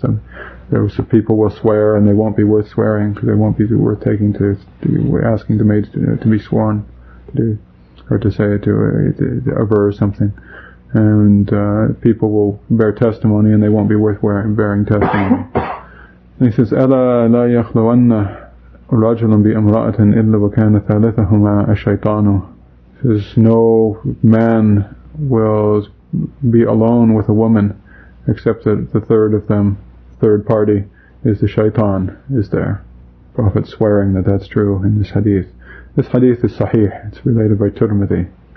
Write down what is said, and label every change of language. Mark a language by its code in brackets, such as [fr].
[en] Then those people will swear, and they won't be worth swearing, because they won't be worth taking to asking the maids to be sworn to do, or to say to aver or something. And people will bear testimony, and they won't be worth bearing testimony. And he says, [ar] "Ala la yakhlu anna رجل بامرأة إلا وكان ثالثهما الشيطان. [en] There's no man will be alone with a woman except that the third of them, third party, is the shaitan, is there. Prophet swearing that that's true in this hadith. This hadith is sahih, it's related by Tirmidhi.